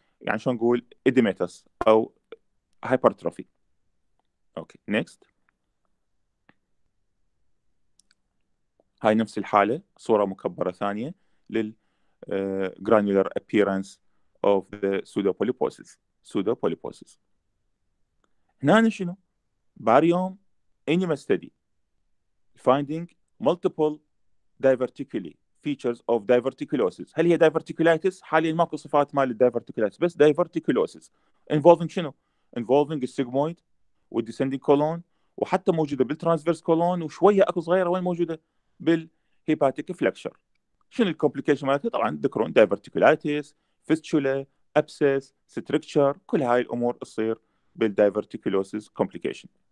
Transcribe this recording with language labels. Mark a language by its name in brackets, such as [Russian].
[Arabic] يعني شلون نقول إديماتس أو هايبرتروفي. أوكي نيكست، هاي نفس الحالة، صورة مكبرة ثانية لل [English] granular appearance of the pseudopolyposis. pseudopolyposis [Arabic] هنا شنو؟ [English] Barium enema study finding multiple diverticuli features of diverticulosis. [Arabic] هل هي diverticulitis؟ حاليا ماكو صفات مال الdiverticulitis، بس [English] diverticulosis involving [Arabic] شنو؟ involving sigmoid والdescending colon، وحتى موجودة بالtransverse colon، وشوية أكو صغيرة وين موجودة؟ بالhepatic flexure. شنو الكومبليكيشن مالتها؟ طبعا ذكرون diverticulitis، fistula، abscess، stricture، كل هاي الأمور تصير بالdiverticulosis complication.